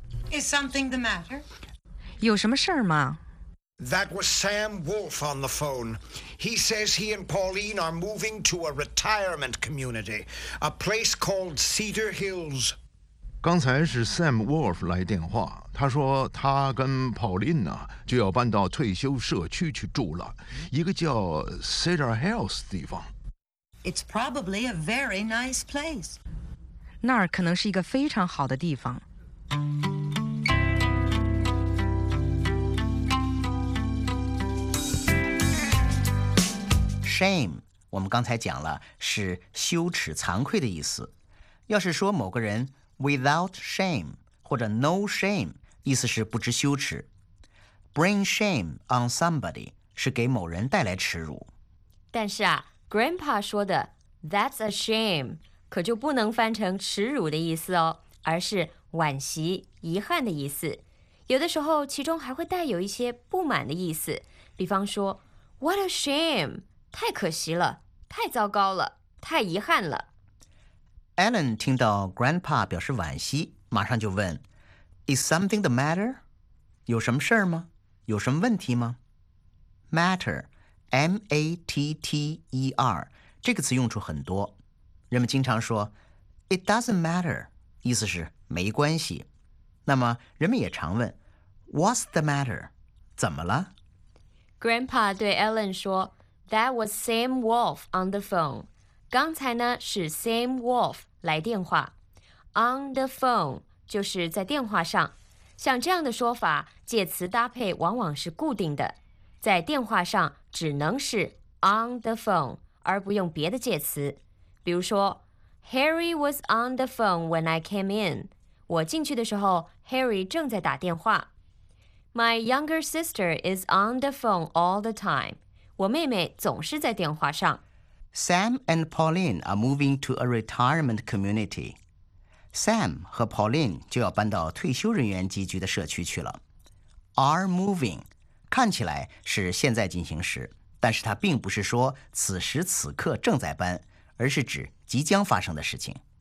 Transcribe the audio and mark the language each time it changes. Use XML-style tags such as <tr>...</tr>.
<en>Is something the matter?</en> <zh>有什么事儿吗？</zh> <en>That was Sam Wolf on the phone. He says he and Pauline are moving to a retirement community, a place called Cedar Hills.</en> <zh>刚才是 Sam Wolf 来电话，他说他跟 Pauline 呢就要搬到退休社区去住了，一个叫 Cedar Hills 地方。</zh> <en>It's probably a very nice place.</en> <zh>那儿可能是一个非常好的地方。 Shame， 我们刚才讲了是羞耻、惭愧的意思。要是说某个人</zh> <en>without shame</en> <zh>或者 no shame， 意思是不知羞耻。</zh> <en>Bring shame on somebody</en> <zh>是给某人带来耻辱。但是啊。 Grandpa 说的</zh> <en>That's a shame</en> <zh>可就不能翻成耻辱的意思哦，而是惋惜、遗憾的意思。有的时候其中还会带有一些不满的意思，比方说</zh> <en>What a shame，</en> <zh>太可惜了，太糟糕了，太遗憾了。 Alan 听到 Grandpa 表示惋惜，马上就问</zh> <en>Is something the matter？</en> <zh>有什么事吗？有什么问题吗？ MatterMATTER 这个词用处很多，人们经常说</zh> <en>It doesn't matter，</en> <zh>意思是没关系。那么人们也常问</zh> <en>What's the matter？</en> <zh>怎么了？ Grandpa 对 Ellen 说</zh> <en>That was Sam Wolf on the phone。</en> <zh>刚才呢是 Sam Wolf 来电话，</zh> <en>On the phone</en> <zh>就是在电话上。像这样的说法，介词搭配往往是固定的，在电话上只能是</zh> <en>on the phone，</en> <zh>而不用别的介词。比如说</zh> <en>，Harry was on the phone when I came in。</en> <zh>我进去的时候 ，Harry 正在打电话。</zh> <en>My younger sister is on the phone all the time。</en> <zh>我妹妹总是在电话上。</zh> <en>Sam and Pauline are moving to a retirement community。</en> <zh>Sam 和 Pauline 就要搬到退休人员集聚的社区去了。</zh> <en>Are moving。</en> <zh>看起来是现在进行时，但是它并不是说此时此刻正在搬，而是指即将发生的事情。</zh>